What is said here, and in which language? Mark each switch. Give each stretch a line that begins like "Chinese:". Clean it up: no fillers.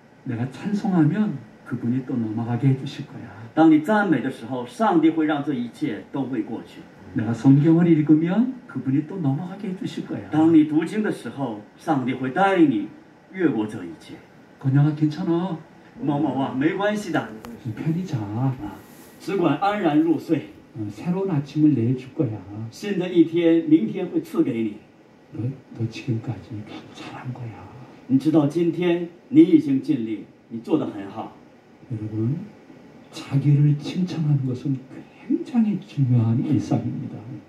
Korean: 내가 찬송하면 그분이 또 넘어가게 해주실 거야.
Chinese: 当你赞美的时候，上帝会让这一切都会过去。
Korean: 내가 성경을 읽으면 그분이 또 넘어가게 해주실 거야.
Chinese: 当你读经的时候，上帝会带领你越过这一切。
Korean: 권영아 괜찮아.
Chinese: 某某啊，没关系的。
Korean: 편히 자.
Chinese: 只管安然入睡。
Korean: 새로운 아침을 내줄 거야.
Chinese: 新的一天，明天会赐给你。
Korean: 너 지금까지 잘한 거야.
Chinese: 你知道今天你已经尽力，你做得很好。
Korean: 여러분, 자기를 칭찬하는 것은 굉장히 중요한 일상입니다.